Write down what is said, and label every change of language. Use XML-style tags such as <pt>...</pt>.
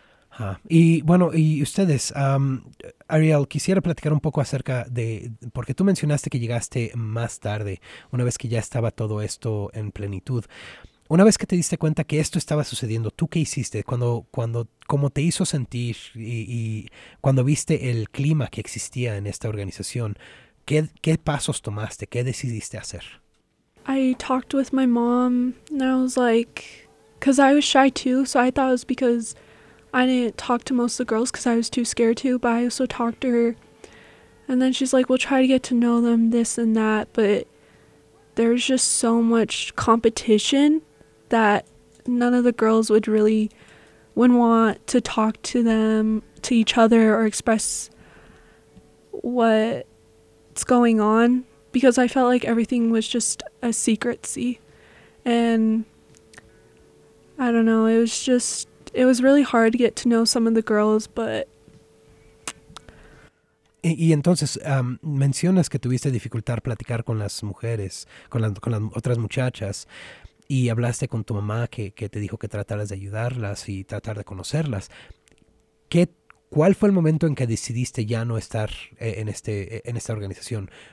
<es>Ah, y bueno, y ustedes, Ariel, quisiera platicar un poco acerca de, porque tú mencionaste que llegaste más tarde, una vez que ya estaba todo esto en plenitud. Una vez que te diste cuenta que esto estaba sucediendo, ¿tú qué hiciste? ¿Cómo te hizo sentir y cuando viste el clima que existía en esta organización, ¿qué pasos tomaste? ¿Qué decidiste hacer?</es> <en>I talked with my mom and I was like, because I was shy too, so I thought it was because I didn't talk to most of the girls because I was too scared to, but I also talked to her. And then she's like, we'll try to get to know them, this and that, but there's just so much competition that none of the girls wouldn't want to talk to them, to each other, or express what's going on, because I felt like everything was just a secret, see? And I don't know, it was really hard to get to know some of the girls, but...</en> <es>Y entonces, mencionas que tuviste dificultad platicar con las mujeres, con las otras muchachas, y hablaste con tu mamá que te dijo que trataras de ayudarlas y tratar de conocerlas. ¿Cuál fue el momento en que decidiste ya no estar en esta organización?</es>